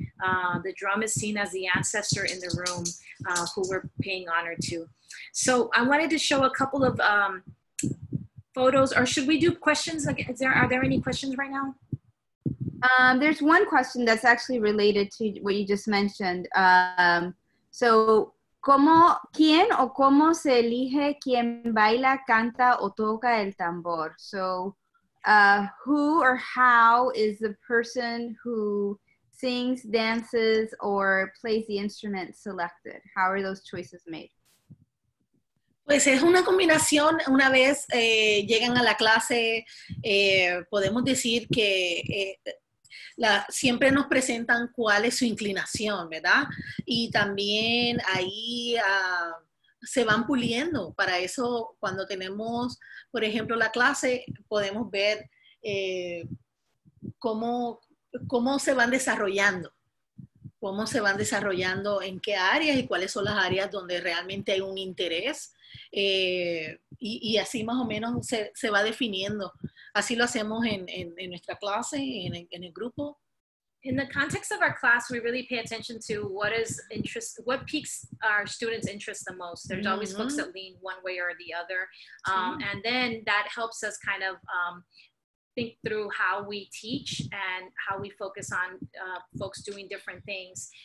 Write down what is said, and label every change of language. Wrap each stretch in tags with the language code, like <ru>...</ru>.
<en>The drum is seen as the ancestor in the room who we're paying honor to. So I wanted to show a couple of photos, or should we do questions? Are there any questions right now? There's one question that's actually related to what you just mentioned.</en> <es>So, ¿quién o cómo se elige quién baila, canta o toca el tambor?</es> <en>So, who or how is the person who sings, dances, or plays the instrument selected? How are those choices made?</en> <es>Pues es una combinación. Una vez llegan a la clase, podemos decir que siempre nos presentan cuál es su inclinación, ¿verdad? Y también ahí se van puliendo. Para eso, cuando tenemos, por ejemplo, la clase, podemos ver cómo se van desarrollando. Cómo se van desarrollando, en qué áreas y cuáles son las áreas donde realmente hay un interés. Y así más o menos se va definiendo. Así lo hacemos en nuestra clase, en el grupo.</es> <en>In the context of our class, we really pay attention to what piques our students' interest the most. There's mm-hmm. always books that lean one way or the other. And then that helps us kind of think through how we teach and how we focus on folks doing different things.</en>